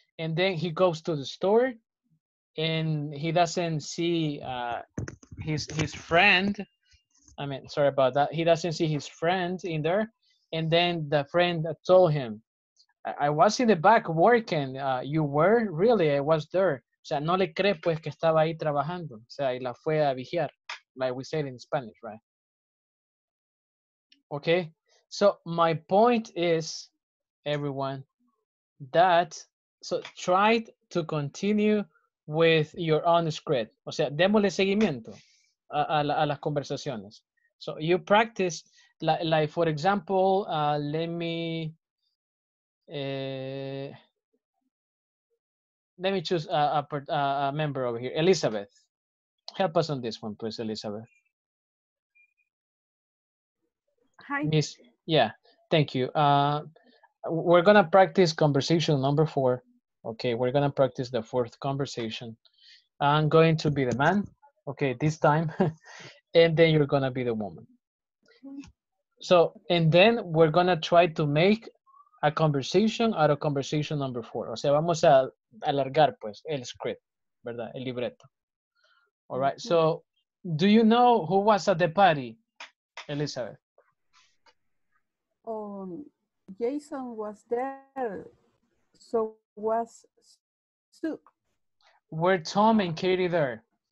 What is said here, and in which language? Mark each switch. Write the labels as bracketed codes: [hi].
[en] And then he goes to the store and he doesn't see his friend. I mean, sorry about that. He doesn't see his friend in there. And then the friend told him, I was in the back working. You were? Really? I was there. [es] O sea, no le cree pues que estaba ahí trabajando. O sea, y la fue a vigiar, [en] like we said in Spanish, right? Okay? So my point is, everyone, that so try to continue with your own script. [es] O sea, démosle seguimiento a las conversaciones. [en] So you practice, like for example, let me choose a member over here. Elizabeth, help us on this one, please, Elizabeth. Hi. Miss. Yeah, thank you. We're going to practice conversation number four. Okay, we're going to practice the fourth conversation. I'm going to be the man, okay, this time. And then you're going to be the woman. So, and then we're going to try to make a conversation out of conversation number four. [es] O sea, vamos a alargar, pues, el script, ¿verdad? El libreto. [en] All right, so do you know who was at the party, Elizabeth? Jason was there, so was Sue. Were Tom and Katie there?